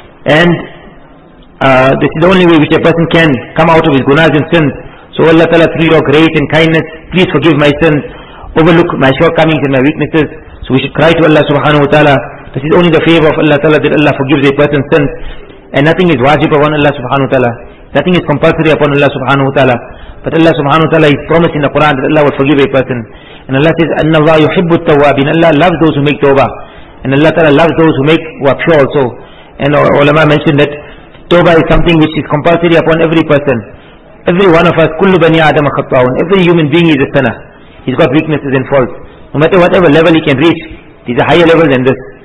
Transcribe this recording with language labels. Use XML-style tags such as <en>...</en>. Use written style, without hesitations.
<en>And this is the only way which a person can come out of his gunas and sins. So Allah Ta'ala, through your grace and kindness, please forgive my sins. overlook my shortcomings and my weaknesses. So we should cry to Allah subhanahu wa ta'ala. This is only the favor of Allah ta'ala that Allah forgives a person's sins. And nothing is wajib upon Allah subhanahu wa ta'ala. Nothing is compulsory upon Allah subhanahu wa ta'ala. But Allah subhanahu wa ta'ala is promised in the Quran that Allah will forgive a person.</en> <ar>And Allah says, أَنَّ اللَّهَ يُحِبُّ التَّوَّابِينَ.</ar> <en>Allah loves those who make tawbah. And Allah ta'ala loves those who make wapshaw also. And our ulama mentioned that tawbah is something which is compulsory upon every person. Every one of us,</en> <ar>كُلُّ بَنِي آدَمَ خَطَّاهُونَ.</ar> <en>Every human being is a sinner. He's got weaknesses and faults. No matter whatever level he can reach, he's a higher level than this.</en>